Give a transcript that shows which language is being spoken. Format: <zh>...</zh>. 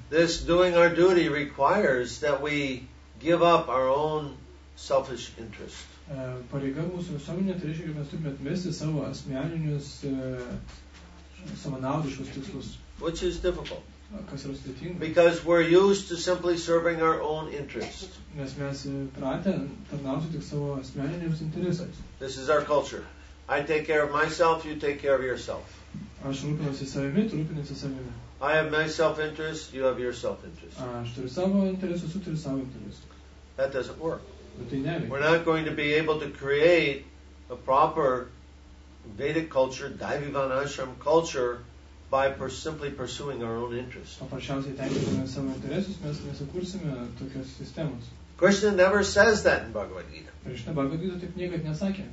<en>This doing our duty requires that we give up our own selfish interest.</en> <lt>Pareiga mūsų visuomenėje tai reiškia, kad mes turime atmesti savo asmeninius savanaudiškus tikslus.</lt> <en>Which is difficult.</en> <lt>Kas yra sudėtinga?</lt> <en>Because we're used to simply serving our own interest.</en> <lt>Nes mes pratę tarnauti tik savo asmeniniams interesams.</lt> <en>This is our culture. I take care of myself, you take care of yourself.</en> <lt>Aš rūpinuosi savimi, tu rūpinasi savimi.</lt> <en>I have my self-interest, you have your self-interest.</en> <lt>Aš turiu savo interesus, tu turi savo interesus.</lt> <en>That doesn't work.</en> <lt>Bet tai neveikia.</lt> <en>We're not going to be able to create a proper Vedic culture, Daivivan Ashram culture, by simply pursuing our own interests.</en> <lt>Paprasčiausiai tenkiname savo interesus, mes nesukursime tokios sistemos.</lt> <en>Krishna never says that in Bhagavad Gita.</en> <lt>Krishna Bhagavad Gita taip niekad nesakė.</lt>